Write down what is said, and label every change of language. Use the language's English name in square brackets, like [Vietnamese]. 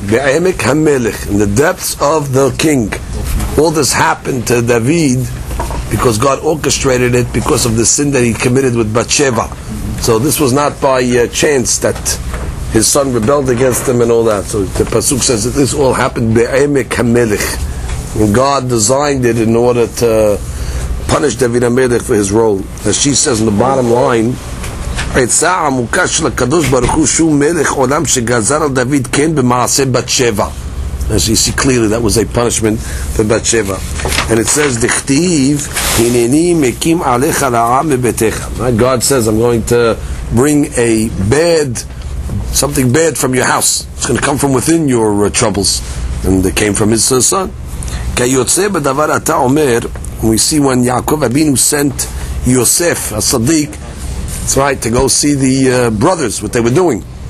[English] Be'emek HaMelech, in the depths of the king. All this happened to David because God orchestrated it because of the sin that he committed with Bathsheba. So this was not by chance that his son rebelled against him and all that. So the Pasuk says that this all happened Be'emek HaMelech. And God designed it in order to punish David HaMelech for his role. As she says in the bottom line, [Hebrew] עצה עמוקה של הקדוש ברוך הוא שהוא מלך עולם שגזר על דוד כן במעשה בת שבע. [English] As you see clearly, that was a punishment for בת שבע. And it says, [Hebrew] דכתיב, הנני מקים עליך לעם מביתך. [English] God says, I'm going to bring a bad, something bad from your house. It's going to come from within your troubles. And it came from his son. [Hebrew] כי יוצא בדבר אתה אומר, [English] we see when יעקב אבינו sent יוסף, הצדיק, that's right, to go see the brothers, what they were doing.